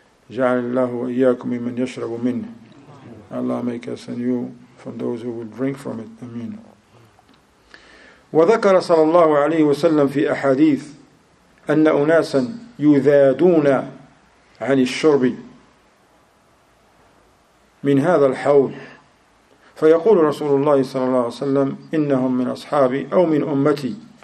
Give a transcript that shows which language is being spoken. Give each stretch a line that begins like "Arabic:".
Arabic: جعل الله وإياكم ممن يشرب منه.
English: Allah make us and you from those who will drink from it. Amen.
Arabic: وذكر صلى الله عليه وسلم في أحاديث أن أناسا يذادون عن الشرب من هذا الحوض, فيقول رسول الله صلى الله عليه وسلم إنهم من أصحابي أو من أمتي.